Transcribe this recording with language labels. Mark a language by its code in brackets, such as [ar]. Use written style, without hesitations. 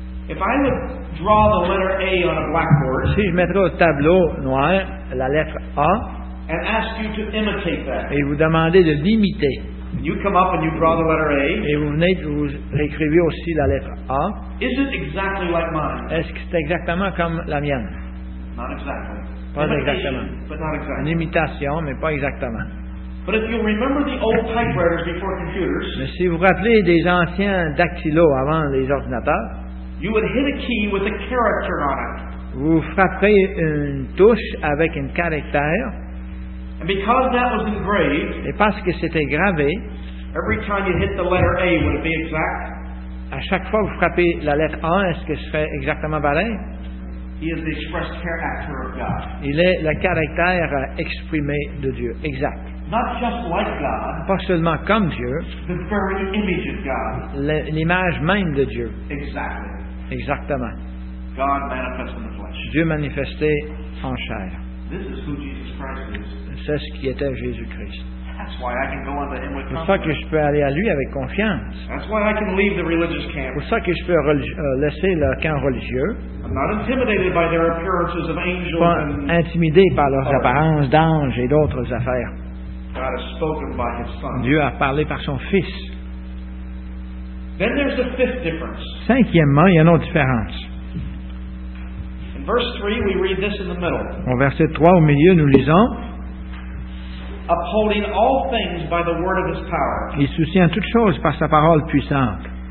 [en] If I would draw the letter A on a blackboard, [fr] si je mettrais au tableau noir la lettre A, [en] and ask you to imitate that, [fr] et vous demander de l'imiter, [en] and you come up and you draw the letter A, [fr] et vous venez vous écrivez aussi la lettre A, [en] is it exactly like mine? [fr] Est-ce que c'est exactement comme la mienne? [en] Not exactly. [fr] Pas exactement. [en] But not exactly. [fr] Une imitation, mais pas exactement. [en] But if you remember the old typewriters before computers, [fr] mais si vous rappelez des anciens dactylos avant les ordinateurs. [en] You would hit a key with a character on it. [fr] Vous frapperez une touche avec un caractère. [en] And because that was engraved, [fr] et parce que c'était gravé, [en] every time you hit the letter A, would it be exact? [fr] À chaque fois que vous frappez la lettre A, est-ce que ce serait exactement pareil? [en] He is the expressed character of God. [fr] Il est le caractère exprimé de Dieu, exact. [en] Not just like God, [fr] pas seulement comme Dieu, [en] the very image of God. [fr] L'image même de Dieu. [en] Exactly. [fr] Exactement. [en] God manifest in the flesh. [fr] Dieu manifesté en chair. [en] This is who Jesus Christ is. [fr] C'est ce qui était Jésus-Christ. [en] That's why I can go unto him with [fr] confidence. C'est pour ça que je peux aller à lui avec confiance. [en] That's why I can leave the religious camp. [fr] C'est pour ça que je peux laisser le camp religieux. [en] I'm not intimidated by their appearances of angels. [fr] Pas intimidé par leurs apparences d'anges et d'autres affaires. [en] God has spoken by his son. [fr] Dieu a parlé par son Fils. [en] Then there's a fifth difference. [fr] Cinquièmement, il y a une autre différence. [en] In verse 3, we read this in the middle. [fr] Au verset 3, au milieu, nous lisons. [en] Upholding all things by the word of his power. [fr] Il soutient toutes choses par sa parole puissante.